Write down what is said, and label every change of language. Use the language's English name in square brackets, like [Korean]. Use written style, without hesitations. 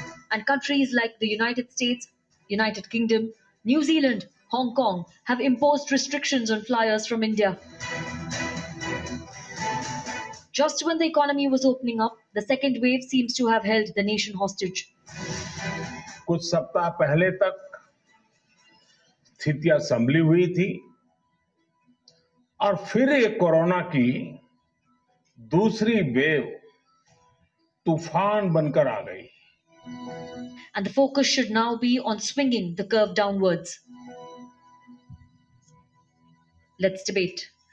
[English] And countries like the United States, United Kingdom, New Zealand, Hong Kong have imposed restrictions on flyers from India. Just when the economy was opening up, the second wave seems to have held the nation hostage. [Hindi] कुछ सप्ताह पहले तक स्थितियां संभली हुई थी और फिर ये कोरोना की दूसरी वेव तूफान बनकर आ गई. [English] And the focus should now be on swinging the curve downwards. Let's debate.